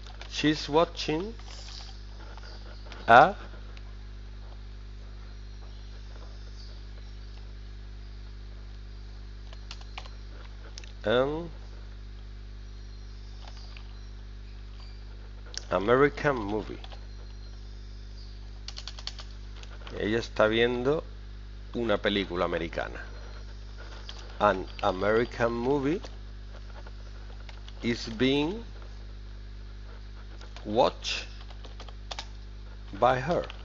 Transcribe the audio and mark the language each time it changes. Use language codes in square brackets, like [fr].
[en] She's watching a American movie. [es] Ella está viendo una película americana. [en] An American movie is being watched by her.